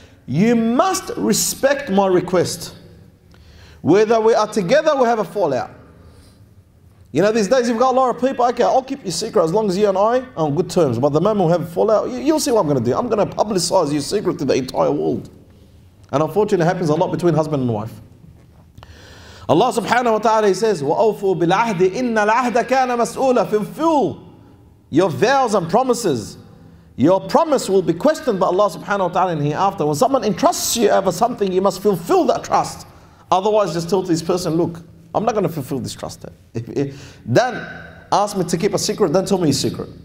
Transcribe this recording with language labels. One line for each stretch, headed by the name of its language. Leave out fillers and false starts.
English: You must respect my request. Whether we are together, we have a fallout. You know, these days you've got a lot of people, okay, I'll keep your secret as long as you and I are on good terms. But the moment we have a fallout, you'll see what I'm going to do. I'm going to publicize your secret to the entire world. And unfortunately, it happens a lot between husband and wife. Allah subhanahu wa ta'ala says,
Arabic: وَأَوْفُوا بِالْعَهْدِ إِنَّ الْعَهْدَ كَانَ مَسْؤُولًا.
English: Fulfill your vows and promises. Your promise will be questioned by Allah subhanahu wa ta'ala in hereafter. When someone entrusts you over something, you must fulfill that trust. Otherwise, just tell to this person, look, I'm not going to fulfill this trust. Then ask me to keep a secret, then tell me a secret.